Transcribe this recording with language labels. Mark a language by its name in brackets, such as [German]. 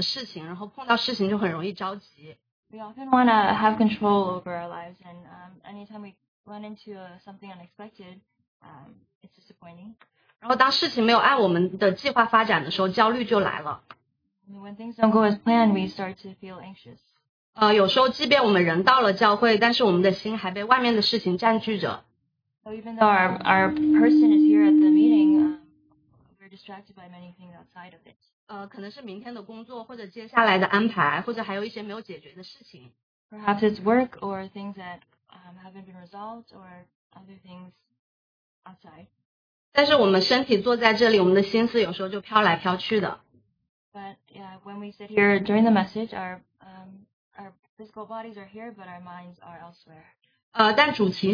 [Chinese] 就是我们常常好像喜欢掌控所有的事情，然后碰到事情就很容易着急。 [English] We often want to have control over our lives, and anytime we run into something unexpected, it's disappointing. [Chinese] 然后当事情没有按我们的计划发展的时候，焦虑就来了。 [English] When things don't go as planned, we start to feel anxious. [Chinese] 有时候即便我们人到了教会，但是我们的心还被外面的事情占据着。 [English] So even though our person is here at the meeting, we're distracted by many things outside of it. [Chinese] 可能是明天的工作，或者接下来的安排，或者还有一些没有解决的事情。 [English] Perhaps it's work or things that haven't been resolved or other things outside. [Chinese] 但是我们身体坐在这里，我们的心思有时候就飘来飘去的。 [English] But yeah, when we sit here during the message, our physical bodies are here, but our minds are elsewhere.